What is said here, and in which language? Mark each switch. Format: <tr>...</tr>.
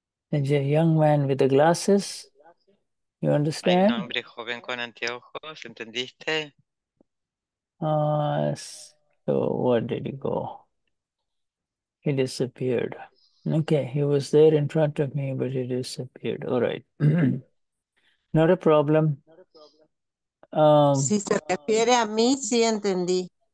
<en>There's a young man with the glasses. You understand?</en> <es>Hay un hombre joven con anteojos, ¿entendiste?</es> <en>So where did he go? He disappeared. Okay, he was there in front of me, but he disappeared. All right. Not a problem.</en> <es>Si se refiere a mí, sí entendí.</es>